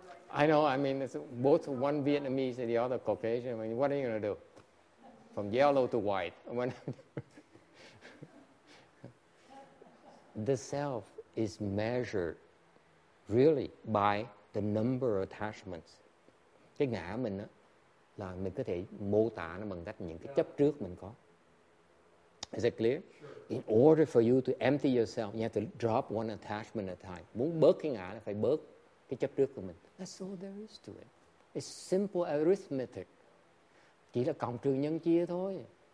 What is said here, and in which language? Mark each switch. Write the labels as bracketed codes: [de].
[en] I know, I mean, it's both one Vietnamese and the other Caucasian. I mean, what are you going to do? From yellow to white. The self is measured, really, by the number of attachments. [vi] Cái ngã mình á, là mình có thể mô tả nó bằng cách những cái chấp trước mình có. [en] Is that clear? In order for you to empty yourself, you have to drop one attachment at a time. [vi] Muốn bớt cái ngã là phải bớt cái chấp trước của mình. [en] That's all there is to it. It's simple arithmetic. [vi] Chỉ là cộng trừ nhân chia thôi.